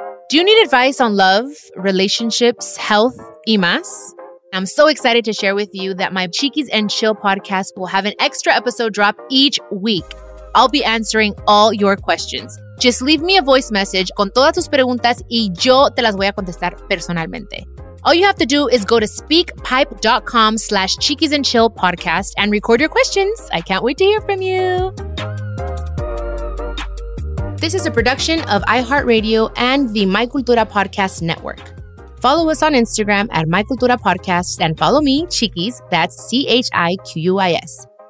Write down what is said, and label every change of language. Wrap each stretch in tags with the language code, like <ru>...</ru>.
<en>Do you need advice on love, relationships, health,</en> <es>y más?</es> <en>I'm so excited to share with you that my Cheekies and Chill podcast will have an extra episode drop each week. I'll be answering all your questions. Just leave me a voice message</en> <es>con todas tus preguntas y yo te las voy a contestar personalmente.</es> <en>All you have to do is go to speakpipe.com/Cheekies and Chill podcast and record your questions. I can't wait to hear from you. This is a production of iHeartRadio and the My Cultura Podcast Network. Follow us on Instagram at My Cultura Podcast and follow me, Chiquis, that's C-H-I-Q-U-I-S.</en>